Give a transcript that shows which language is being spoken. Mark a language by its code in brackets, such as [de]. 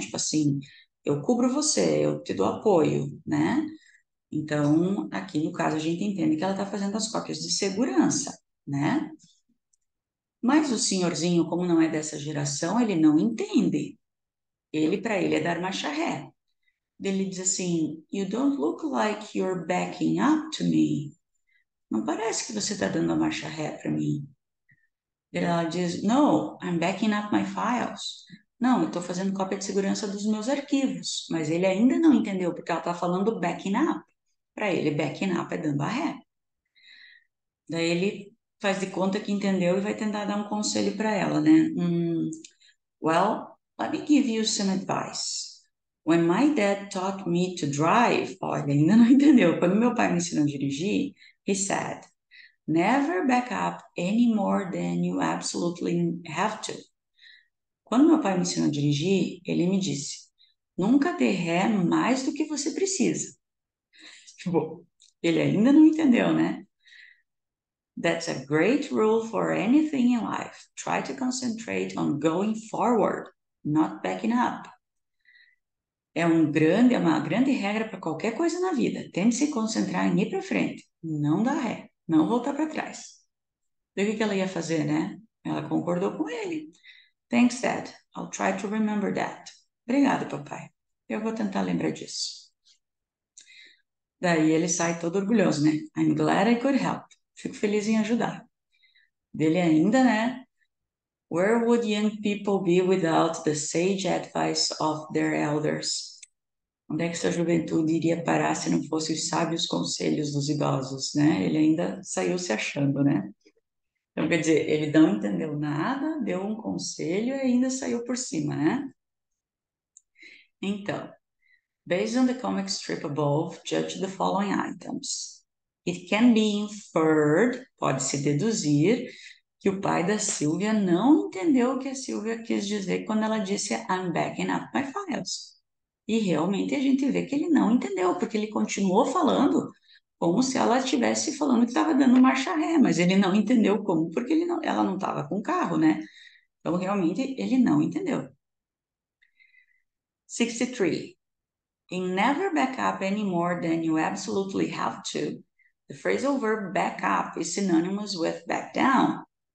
[pt] Tipo assim, eu cubro você, eu te dou apoio, né? Então, aqui no caso, a gente entende que ela está fazendo as cópias de segurança, né? Mas o senhorzinho, como não é dessa geração, ele não entende. Ele, para ele, é dar marcha ré. Ele diz assim: [en] You don't look like you're backing up to me. [pt] Não parece que você está dando a marcha ré para mim. Ela diz: [en] No, I'm backing up my files. [pt] Não, eu estou fazendo cópia de segurança dos meus arquivos. Mas ele ainda não entendeu, porque ela está falando backing up. Para ele, backing up é dando a ré. Daí ele faz de conta que entendeu e vai tentar dar um conselho para ela, né? [en] Well, let me give you some advice. When my dad taught me to drive, [pt] olha, ainda não entendeu. Quando meu pai me ensinou a dirigir, [en] he said, never back up any more than you absolutely have to. [pt] Quando meu pai me ensinou a dirigir, ele me disse, nunca dê ré mais do que você precisa. Bom, ele ainda não entendeu, né? [en] That's a great rule for anything in life. Try to concentrate on going forward, not backing up. [pt] É uma grande regra para qualquer coisa na vida. Tem que se concentrar em ir para frente. Não dá ré. Não voltar para trás. Vê o que ela ia fazer, né? Ela concordou com ele. [en] Thanks, Dad. I'll try to remember that. [pt] Obrigada, papai. Eu vou tentar lembrar disso. Daí ele sai todo orgulhoso, né? [en] I'm glad I could help. [pt] Fico feliz em ajudar. Dele ainda, né? [en] Where would young people be without the sage advice of their elders? [pt] Onde é que sua juventude iria parar se não fossem os sábios conselhos dos idosos, né? Ele ainda saiu se achando, né? Então, quer dizer, ele não entendeu nada, deu um conselho e ainda saiu por cima, né? Então, [en] based on the comic strip above, judge the following items. It can be inferred, [pt] pode-se deduzir, que o pai da Silvia não entendeu o que a Silvia quis dizer quando ela disse [en] I'm backing up my files. [pt] E realmente a gente vê que ele não entendeu, porque ele continuou falando como se ela estivesse falando que estava dando marcha ré, mas ele não entendeu como, porque ela não estava com carro, né? Então realmente ele não entendeu. [en] 63. In never back up any more than you absolutely have to. The phrasal verb back up is synonymous with back down.